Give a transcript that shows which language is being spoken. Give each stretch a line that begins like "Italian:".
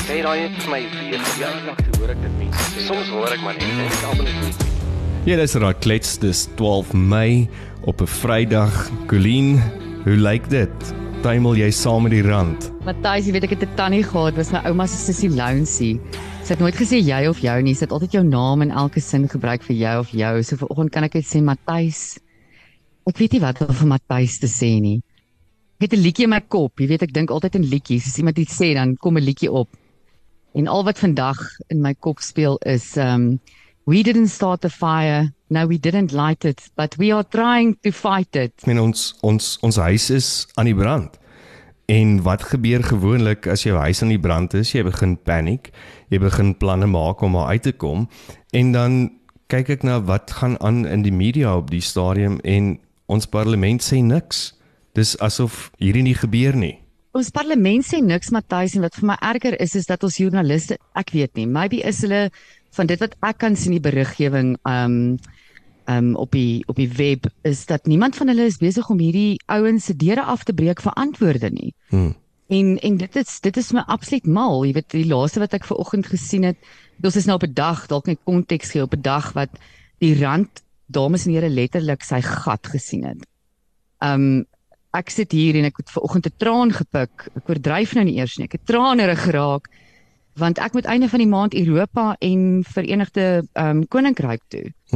Afrikaans: Sê jy daai het vir my weer gesak toe hoor ek dit mense sê. Soms hoor ek maar net en ek almal het goed. Ja, dis raak klets, dis 12 Mei op 'n Vrydag. Colleen, hoe lyk dit? Tuimel jy saam met die rand? Matthys, jy weet ek het 'n tannie gehad, was my ouma se sussie Lounsie. Sy het nooit gesê jy of jou nie, sy het altyd jou naam in elke sin gebruik vir jy of jou. So vanoggend kan ek net sê Matthys. Ek weet nie wat om vir Matthys te sê nie. Ek het 'n liedjie in my kop, jy weet ek dink altyd in liedjies. As iemand iets sê, dan kom 'n liedjie op. En al wat vandag in my kop speel is
English: we didn't start the fire, no we didn't light it, but we are trying to fight it.
Afrikaans: Ek meen ons huis is aan die brand. En wat gebeur gewoonlik as jou huis aan die brand is? Jy begin paniek, jy begin planne maak om maar uit te kom. En dan kyk ek na wat gaan aan in die media op die stadium en ons parlement sê niks. Dis asof hierdie nie gebeur nie. Ons parlement sê niks, Matthys, en wat vir my erger is, is dat ons joernaliste, ek weet nie, maybe is hulle van dit wat ek kan sien die beriggewing op die web is dat niemand van hulle is besig om hierdie ouens se deure af te breek vir antwoorde nie. En dit is my absoluut mal. Jy weet die laaste wat ek vanoggend gesien het, ons is nou op 'n dag, dalk in konteks gee op 'n dag wat die rand dames en here letterlik sy gat gesien het. Ek sit hier en ek het vanoggend 'n traan gepik. Ek oordryf nou nie eers nie. Ek het traanerig geraak. Want ek moet einde van die maand Europa en Verenigde Koninkryk toe.